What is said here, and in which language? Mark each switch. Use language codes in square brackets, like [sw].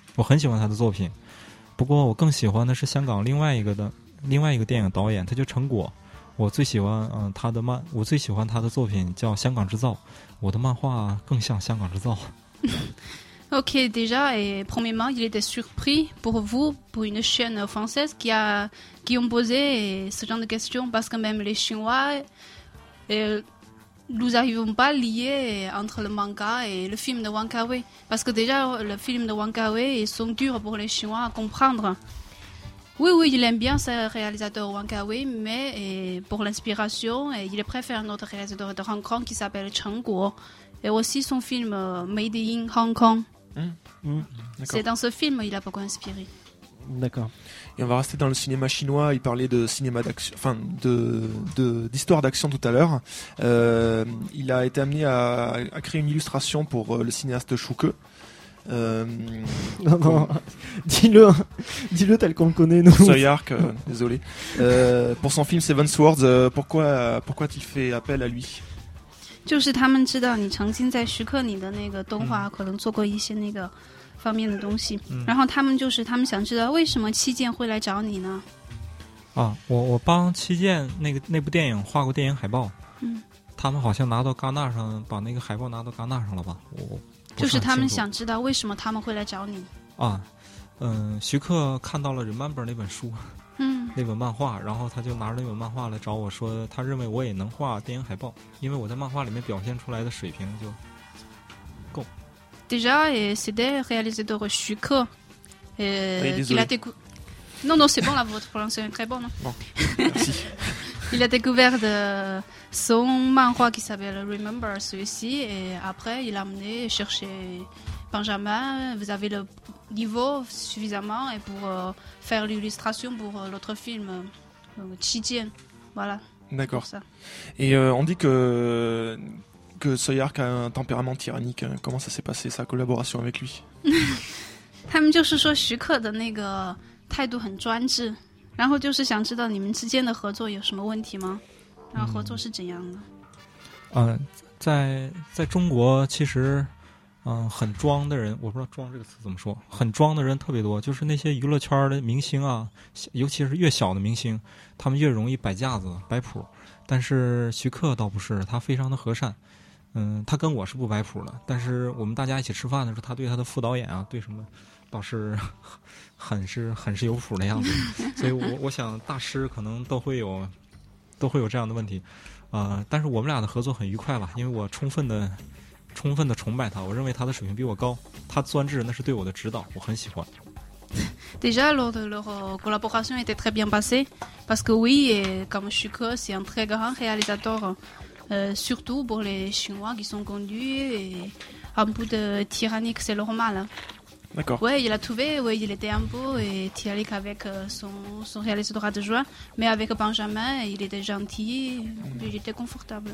[zh] 我很喜欢他的作品，不过我更喜欢的是香港另外一个电影导演，他叫陈果。我最喜欢我最喜欢他的作品叫《香港制造》，我的漫画更像《香港制造》。 [fr] Ok, déjà, et premièrement, il était surpris pour vous, pour une chaîne française qui ont posé ce genre de questions, parce que même les Chinois, nous n'arrivons pas à lier entre le manga et le film de Wong Kar-wai. Parce que déjà, le film de Wong Kar-wai, ils sont durs pour les Chinois à comprendre. Oui, oui, il aime bien ce réalisateur Wong Kar-wai, mais pour l'inspiration, il préfère un autre réalisateur de Hong Kong qui s'appelle Chen Guo. Et aussi son film Made in Hong Kong. C'est dans ce film qu'il a beaucoup inspiré. D'accord. Et on va rester dans le cinéma chinois. Il parlait de cinéma d'action, enfin d'histoire d'action tout à l'heure. Il a été amené à créer une illustration pour le cinéaste Shu Ke. Non, dis-le tel qu'on le connaît, nous. Soy Ark, désolé. Pour son film Seven Swords, pourquoi a-t-il fait appel à lui ? [zh] 就是他们知道你曾经在徐克里的那个动画可能做过一些那个方面的东西、嗯、然后他们就是他们想知道为什么七剑会来找你呢。啊，我帮七剑那个那部电影画过电影海报。嗯，他们好像拿到戛纳上，把那个海报拿到戛纳上了吧。我就是他们想知道为什么他们会来找你。啊，嗯，徐克看到了 Remember 那本书，嗯，那本漫画，然后他就拿着那本漫画来找我说，他认为我也能画电影海报，因为我在漫画里面表现出来的水平就够。 [fr] Déjà, c'était réalisé de Xu Ke, il a découvert. Non, non, c'est bon là, votre prononciation est très bonne. Bon, merci. Il a découvert de son manhwa qui s'appelle Remember celui-ci, et après il a amené chercher Benjamin. Vous avez le niveau suffisamment et pour faire l'illustration pour l'autre film, Qi Jian. Voilà. D'accord. Ça. Et on dit que. Que Soyark a un tempérament tyrannique. Comment ça s'est passé sa collaboration avec lui? Ils disent que [zh] Xu克 的那个态度很专制，然后就是想知道你们之间的合作有什么问题吗？然后合作是怎样的？嗯，在中国其实，很装的人，我不知道装这个词怎么说，很装的人特别多，就是那些娱乐圈的明星啊，尤其是越小的明星，他们越容易摆架子、摆谱。但是Xu克倒不是，他非常的和善。嗯，他跟我是不摆谱的，但是我们大家一起吃饭的时候，他对他的副导演啊，对什么，倒是很是有谱的样子。所以我想大师可能都会有这样的问题，但是我们俩的合作很愉快吧，因为我充分的崇拜他，我认为他的水平比我高，他专制那是对我的指导，我很喜欢。 [fr] Déjà lors de leur collaboration était très bien passée, parce que oui, comme Xu克 c'est un très grand réalisateur. Surtout pour les Chinois qui sont conduits et un peu de tyrannique, c'est normal. D'accord. Oui, il a trouvé, oui, il était un peu et tyrannique avec son réalisateur adjoint, mais avec Benjamin, il était gentil, il était confortable.